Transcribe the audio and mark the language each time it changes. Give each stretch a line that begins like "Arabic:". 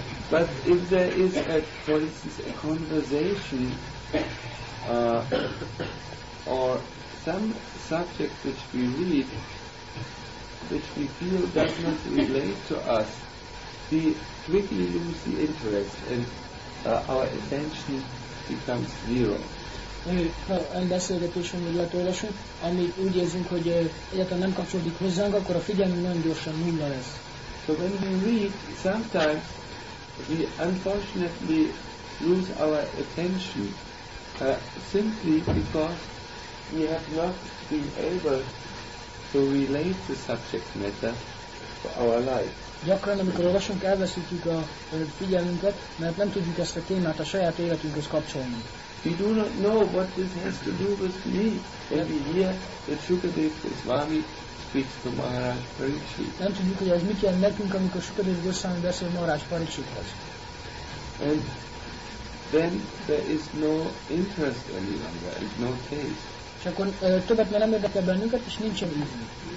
English: But if there is a, for instance, a conversation or some subject which we read, which we feel does not relate to us, we quickly lose the interest and our attention becomes zero.
Hungarian: Ha egy beszélgetésen vagy lehetőlesünk, ami úgy érzünk, hogy egyáltalán nem kapcsolódik hozzánk, akkor a figyelmünk nagyon gyorsan nulla lesz.
English: So when we read, sometimes we unfortunately lose our attention simply because we have not been able to relate the subject matter to our life.
Hungarian: Gyakran, amikor olvasunk, elveszítjük a figyelmünket, mert nem tudjuk ezt a témát a saját életünkhöz kapcsolni.
English: We do not know what this has to do with me. And we hear that Sukadev Goswami speaks to Maharaj Parikshit.
Hungarian: Nem tudjuk, hogy ez mit jelent nekünk, amikor Sukadev Goswami beszél Maharaj Parikshithez.
English: And then there is no interest any longer, no taste.
Hungarian: És akkor többet már nem érdekel bennünket, és nincsen ízünk.